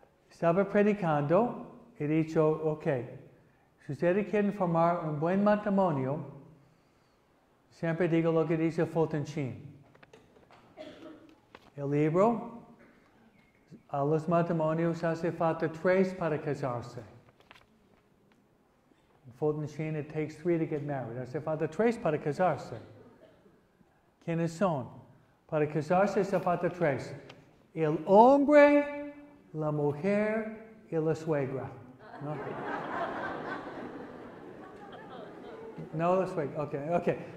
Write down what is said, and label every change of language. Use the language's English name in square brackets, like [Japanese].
[Spanish] Estaba predicando y dicho, ok, si ustedes quieren formar un buen matrimonio, siempre digo lo que dice Fulton Sheen. El libro, a los matrimonios hace falta 3 para casarse. [English] Fulton Sheen, it takes 3 to get married. [Spanish] Hace falta 3 para casarse. ¿Quiénes son? Para casarse hace falta 3. El hombre, la mujer y la suegra. No, no la suegra. Okay.